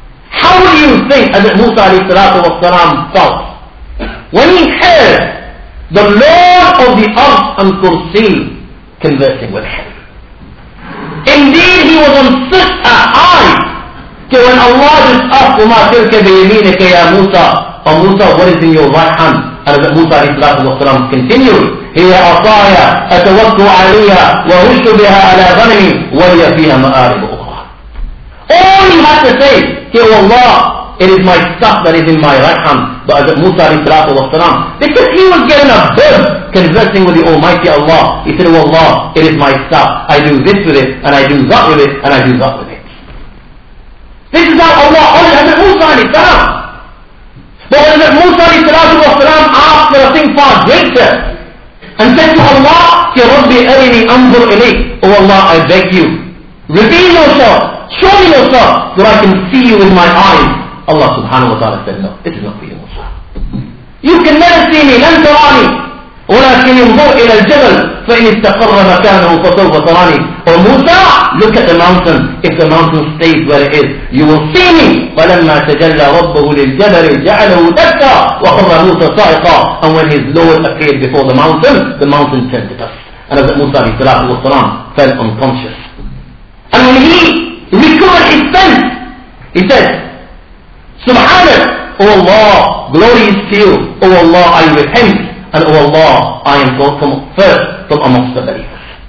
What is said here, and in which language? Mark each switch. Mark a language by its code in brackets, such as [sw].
[en] How do you think that Musa alayhi salatu wa salam felt when he heard the Lord of the earth and kursi conversing with him? Indeed, he was on such a high. So when Allah just asked, [ar] وَمَا تِلْكَ بِيَمِينِكَ يَا مُوسَىٰ. [en] O Musa, what is in your right hand? And as Musa alayhi wa sallam continued, [ar] هِيَ أَصَايَا أَتَوَكُّ عَلِيَا وَهُشُّ بِهَا عَلَىٰ ظَنِي وَلِيَ فِيهَا مَآرِبُ أُخْرَىٰ. [en] All he had to say, here, O Allah, it is my staff that is in my right hand. But as Musa alayhi wa sallam, because he was getting a bird conversing with the Almighty Allah, he said, O Allah, it is my staff. I do this with it, and I do that with it, and I do that with it. This is how Allah honored Hazrat Musa alayhi salam. But when Hazrat Musa alayhi salam asked for a thing far greater, and said to Allah, [ar] Ya Rabbi arini anzur ilayk. [en] O Allah, I beg you, reveal yourself, show me yourself, so I can see you with my eyes. Allah subhanahu wa ta'ala said, no, this is not for you, Musa. You can never see me, [ar] لن تراني. ولكن انظر إلى الجبل فإن استقر مكانه فسوف تراني. [en] Or Musa, look at the mountain. If the mountain stays where it is, you will see me. [ar] فلما تجلى ربه للجبل جعله دكا وخر موسى صائقا. [en] And when his Lord appeared before the mountain turned to dust. And as Musa عليه الصلاة والسلام fell unconscious. And when he recovered his sense, he said, Subhanak, O Allah, glory is to you. O Allah, I repent. And O Allah, I am brought from first from amongst the believers.